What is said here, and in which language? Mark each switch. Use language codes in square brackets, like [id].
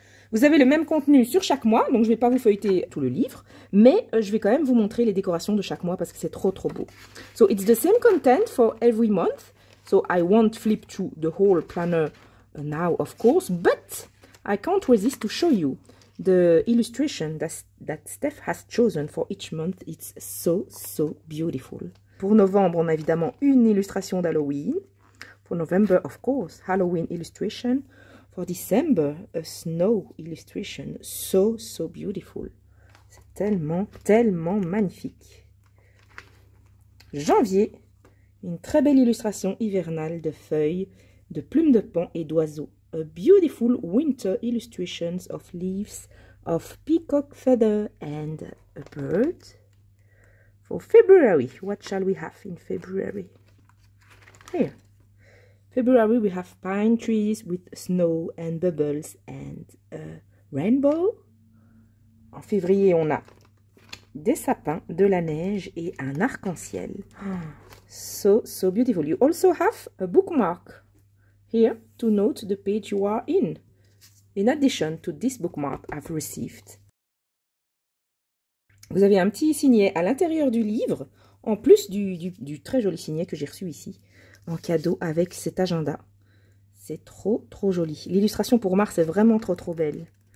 [fr] Vous avez le même contenu sur chaque mois, donc je ne vais pas vous feuilleter tout le livre, mais je vais quand même vous montrer les décorations de chaque mois parce que c'est trop trop beau. [en] So it's the same content for every month. So I won't flip through the whole planner now, of course, but I can't resist to show you the illustration that Steph has chosen for each month. It's so, so beautiful. [fr] Pour novembre, on a évidemment une illustration d'Halloween. [en] For November, of course, Halloween illustration. For December, a snow illustration. So, so beautiful. [fr] C'est tellement, tellement magnifique. Janvier, une très belle illustration hivernale de feuilles, de plumes de paon et d'oiseaux. [en] A beautiful winter illustrations of leaves, of peacock feather and a bird. For February, what shall we have in February? Here. February, we have pine trees with snow and bubbles and a rainbow. [fr] En février, on a des sapins, de la neige et un arc-en-ciel. [en] So, so beautiful. You also have a bookmark here to note the page you are in. In addition to this bookmark I've received. [fr] Vous avez un petit signet à l'intérieur du livre, en plus du très joli signet que j'ai reçu ici. En cadeau avec cet agenda. C'est trop, trop joli. L'illustration pour mars est vraiment trop, trop belle.